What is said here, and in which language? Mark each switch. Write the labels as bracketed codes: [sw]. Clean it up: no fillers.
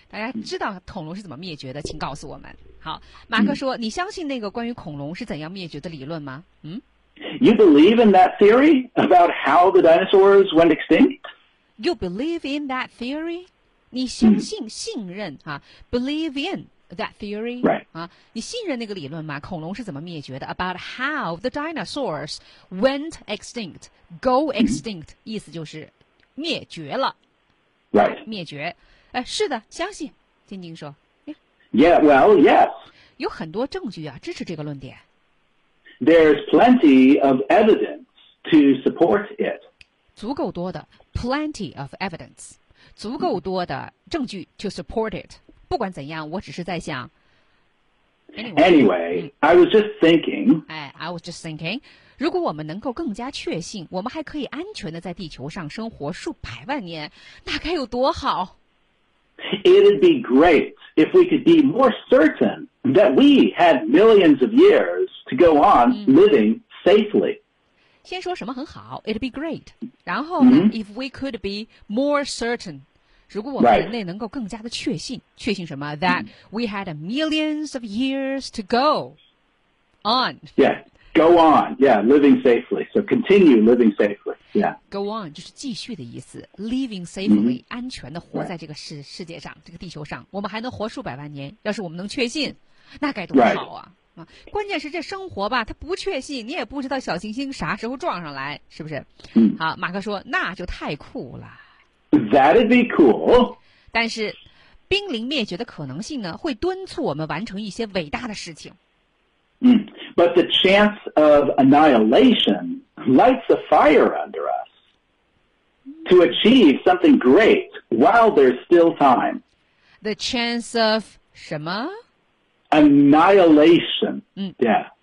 [zh] 大家知道恐龙是怎么灭绝的，请告诉我们。好，马克说，你相信那个关于恐龙是怎样灭绝的理论吗？ [en] You believe in that theory about how the dinosaurs went extinct? You believe in that theory? [zh] 你相信、信任啊 [en] ,believe in that theory? Right. [zh] 啊，你信任那个理论吗？恐龙是怎么灭绝的 ? [en] About how the dinosaurs went extinct, go extinct,、 [zh] 意思就是灭绝了。 [en] Right. [zh] 灭绝，是的，相信。晶晶说 [en] ，Yeah, well, yes. [zh] 有很多证据啊，支持这个论点。 [en] There's plenty of evidence to support it. [zh] 足够多的 [en] ，plenty of evidence， [zh] 足够多的证据 [en] to support it。 [zh] 不管怎样，我只是在想。 [en] Anyway, I was just thinking. I was just thinking. [zh] 如果我们能够更加确信，我们还可以安全地在地球上生活数百万年，那该有多好 [en] ！It'd be great if we could be more certain that we had millions of years to go on living safely. [zh] 先说什么很好 [en] ，It'd be great. [zh] 然后呢、 [en] if we could be more certain. [zh] 如果我们人类能够更加的确信、 [en] right. [zh] 确信什么 [en] that we had millions of years to go on yeah go on yeah living safely so continue living safely yeah go on [zh] 就是继续的意思 [en] living safely、 [zh] 安全的活在这个 世界上这个地球上我们还能活数百万年要是我们能确信那该多好啊、 [en] right. [zh] 啊关键是这生活吧它不确信你也不知道小行星啥时候撞上来是不是、好马克说那就太酷了 [en] That'd be cool. [zh] 但是，濒临灭绝的可能性呢，会敦促我们完成一些伟大的事情。 [en] But the chance of annihilation lights a fire under us to achieve something great while there's still time. The chance of [zh] 什么 [en] ？Annihilation. Yeah.